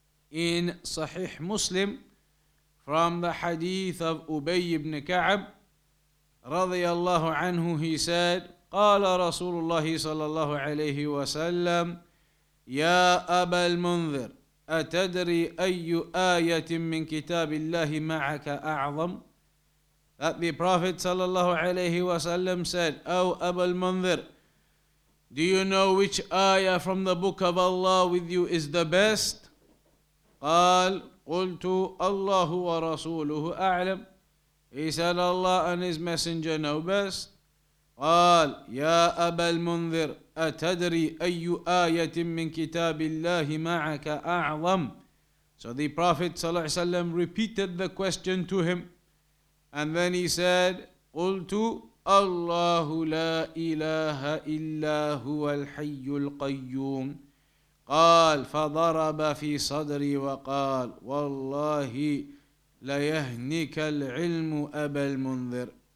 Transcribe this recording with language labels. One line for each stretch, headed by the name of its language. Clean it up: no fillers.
Arabic: In صحيح مسلم,
English: from the hadith of
Arabic: أبي بن كعب رضي الله عنه,
English: he said,
Arabic: قال رسول الله صلى الله عليه وسلم يا أبا المنذر أتدري أي آية من كتاب الله معك أعظم.
English: That the Prophet sallallahu alayhi wa sallam said, O Abu al-Munzir, do you know which ayah from the book of Allah with you is the best?
Arabic: قال قلتُ الله ورسوله أعلم.
English: He said, Allah and His Messenger know best.
Arabic: قال يا أبا المنذر أتدري أي آية من كتاب الله معك أعظم.
English: So the Prophet sallallahu alayhi wa sallam repeated the question to him. And then he said,
Arabic: قُلْتُ أَلَّهُ لَا إِلَهَ إِلَّا هُوَ الْحَيُّ الْقَيُّومُ. قَالْ فَضَرَبَ فِي صَدْرِي وَقَالْ وَاللَّهِ لَيَهْنِكَ الْعِلْمُ أَبَا الْمُنْذِرِ.